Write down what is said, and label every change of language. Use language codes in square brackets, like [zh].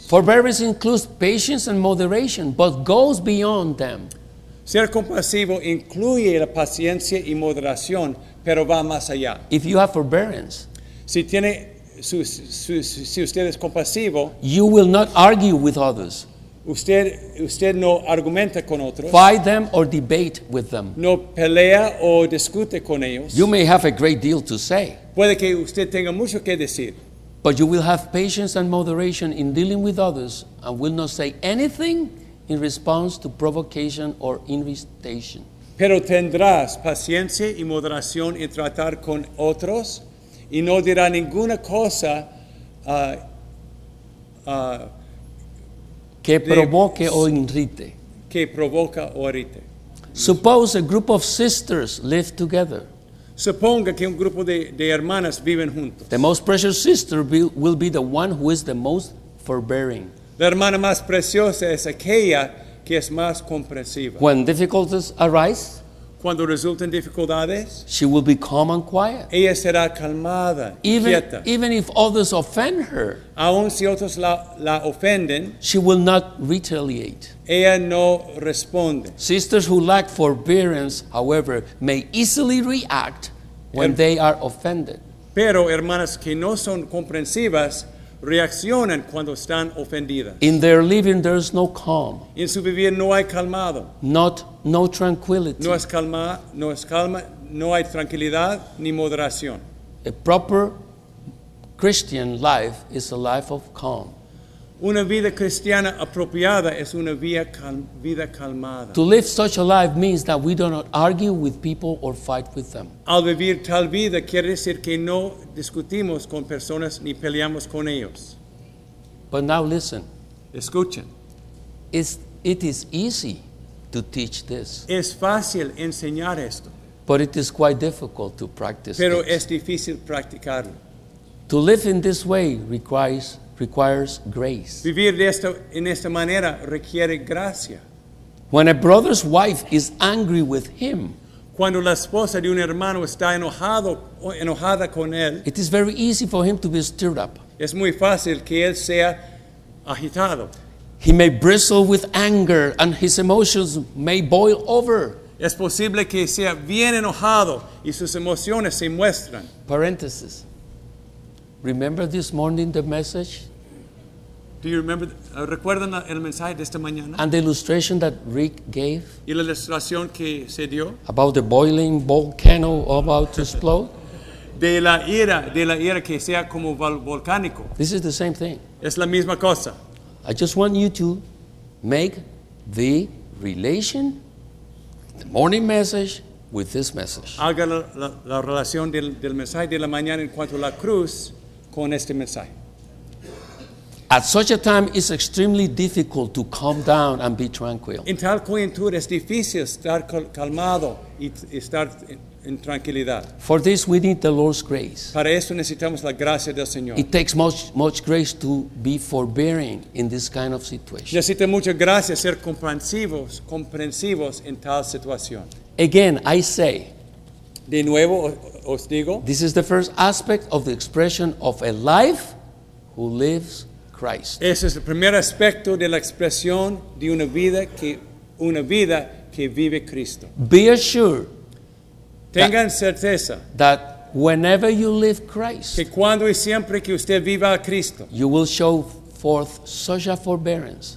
[en] Forbearance includes patience and moderation, but goes beyond them. [es] Ser compasivo incluye la paciencia y moderación, pero va más allá. [en] If you have forbearance, [es] si usted es compasivo, [en] you will not argue with others. [es] Usted no argumenta con otros. [en] Fight them or debate with them. [es] No pelea o discute con ellos. [en] You may have a great deal to say. [es] Puede que usted tenga mucho que decir. [en] But you will have patience and moderation in dealing with others and will not say anything in response to provocation or invitation. [es] Pero tendrás paciencia y moderación en tratar con otros y no dirá ninguna cosa que provoque o irrite. Que provoca o irrite. [en] Suppose a group of sisters live together. [es] Suponga que un grupo de hermanas viven juntos. [en] The most precious sister will be the one who is the most forbearing. [es] La hermana más preciosa es aquella que es más comprensiva. [en] When difficulties arise, [es] cuando resulten dificultades, [en] she will be calm and quiet. [es] Ella será calmada, quieta. [en] Even if others offend her, [es] aun si otros la ofenden, [en] she will not retaliate. [es] Ella no responde. [en] Sisters who lack forbearance, however, may easily react when they are offended. [es] Pero hermanas que no son comprensivas reaccionan cuando están ofendidas. [en] In their living there is no calm. [es] En su vivir no hay calmado. [en] No tranquility. [es] No es calma, no hay tranquilidad ni moderación. [en] A proper Christian life is a life of calm. [es] Una vida cristiana apropiada es una vida calmada. [en] To live such a life means that we do not argue with people or fight with them. [es] Al vivir tal vida quiere decir que no discutimos con personas ni peleamos con ellos. [en] But now listen. [es] Escuchen. [en] It is easy to teach this. [es] Es fácil enseñar esto. [en] But it is quite difficult to practice. [es] Pero es difícil practicarlo. [en] To live in this way requires grace. [es] Vivir en esta manera requiere gracia. [en] When a brother's wife is angry with him, [es] cuando la esposa de un hermano está enojada con él, [en] it is very easy for him to be stirred up. [es] Es muy fácil que él sea agitado. [en] He may bristle with anger and his emotions may boil over. [es] Es posible que sea bien enojado y sus emociones se muestran. Paréntesis. [en] Remember this morning the message? Do you remember? [es] ¿Recuerdan el mensaje de esta mañana? [en] And the illustration that Rick gave? [es] Y la ilustración que se dio? [en] About the boiling volcano about to explode? [es] De la ira que sea como volcánico. [en] This is the same thing. [es] Es la misma cosa. [en] I just want you to make the relation, the morning message, with this message. [es] Haga la relación del mensaje de la mañana en cuanto a la cruz con este mensaje. [en] At such a time, it's extremely difficult to calm down and be tranquil. [es] En tal coyuntura es difícil estar calmado y estar en tranquilidad. [en] For this, we need the Lord's grace. [es] Para eso necesitamos la gracia del Señor. [en] It takes much grace to be forbearing in this kind of situation. [es] Necesita mucha gracia ser comprensivos en tal situación. [en] Again, I say, [es] de nuevo, os digo, [en] this is the first aspect of the expression of a life who lives Christ. [es] Ese es el primer aspecto de la expresión de una vida que vive Cristo. [en] Be assured. [es] Tengan certeza. [en] That whenever you live Christ, [es] que cuando y siempre que usted viva a Cristo, [en] you will show forth such a forbearance.